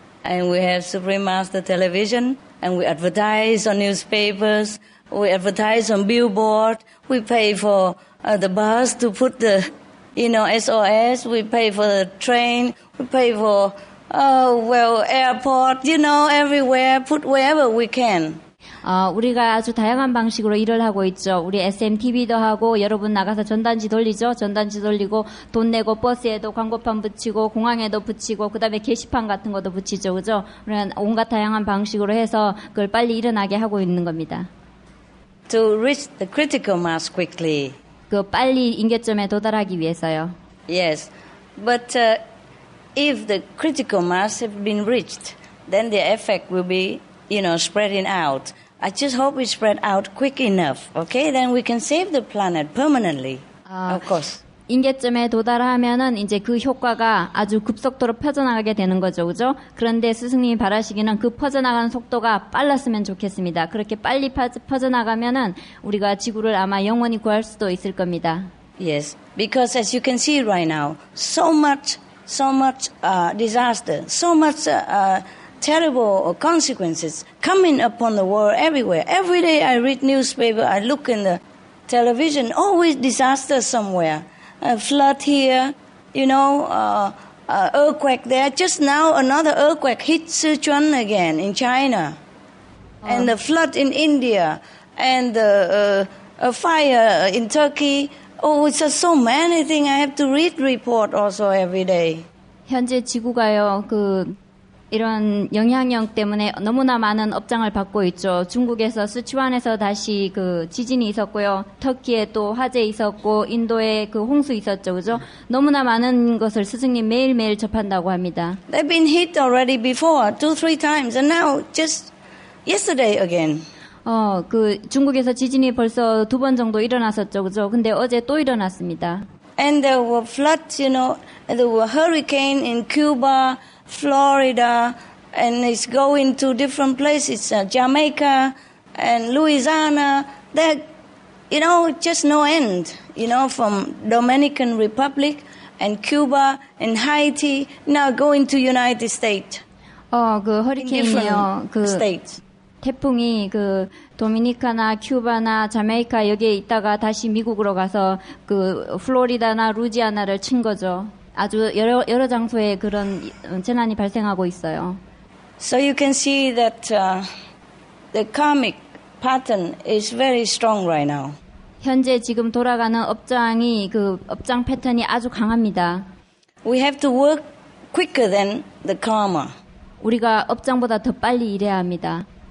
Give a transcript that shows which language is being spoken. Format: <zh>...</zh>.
<en>And we have Supreme Master Television, and we advertise on newspapers, we advertise on billboard, we pay for the bus to put the, you know, SOS, we pay for the train, we pay for, airport, you know, everywhere, put wherever we can.</en> <ko>우리가 아주 다양한 방식으로 일을 하고 있죠. 우리 SMTV도 하고 여러분 나가서 전단지 돌리죠. 전단지 돌리고 돈 내고 버스에도 광고판 붙이고 공항에도 붙이고 그다음에 게시판 같은 것도 붙이죠. 그죠? 그러면 온갖 다양한 방식으로 해서 그걸 빨리 일어나게 하고 있는 겁니다.</ko> <en>To reach the critical mass quickly.</en> <ko>그 빨리 임계점에 도달하기 위해서요.</ko> <en>Yes. But if the critical mass have been reached, then the effect will be, you know, spreading out. I just hope we spread out quick enough. Okay, then we can save the planet permanently. Of course.</en> <ko>임계점에 도달하면은 이제 그 효과가 아주 급속도로 퍼져나가게 되는 거죠, 그죠? 그런데 스승님이 바라시기는 그 퍼져나가는 속도가 빨랐으면 좋겠습니다. 그렇게 빨리 퍼져나가면은 우리가 지구를 아마 영원히 구할 수도 있을 겁니다.</ko> <en>Yes, because as you can see right now, so much disaster, so much. Terrible consequences coming upon the world everywhere. Every day I read newspaper, I look in the television, always disaster somewhere. A flood here, you know, earthquake there. Just now another earthquake hit Sichuan again in China. And the flood in India and the fire in Turkey. Oh, it's just so many things. I have to read report also every day.</en> <ko>현재 지구가요, 그 이런 영향력 때문에 너무나 많은 업장을 받고 있죠. 중국에서 스치완에서 다시 그 지진이 있었고요. 터키에 또 화재 있었고 인도에 그 홍수 있었죠. 그죠? 너무나 많은 것을 스승님 매일매일 접한다고 합니다.</ko> <en>They've been hit already before 2-3 times and now just yesterday again.</en> <ko>그 중국에서 지진이 벌써 두 번 정도 일어났었죠. 그죠? 근데 어제 또 일어났습니다.</ko> <en>And there were floods, you know, and there were hurricane in Cuba, Florida, and it's going to different places, Jamaica and Louisiana. They're, you know, just no end, you know, from Dominican Republic and Cuba and Haiti, now going to United States.</en> <ko>그 허리케인이요. 그 states. 태풍이 그 도미니카나 큐바나 자메이카 여기에 있다가 다시 미국으로 가서 그 플로리다나 루지아나를 친 거죠. 아주 여러 장소에 그런 재난이 발생하고 있어요.</ko> <en>So you can see that the karmic pattern is very strong right now.</en> <ko>현재 지금 돌아가는 업장이 그 업장 패턴이 아주 강합니다.</ko> <en>We have to work quicker than the karma.</en> <ko>우리가 업장보다 더 빨리 일해야 합니다.</ko>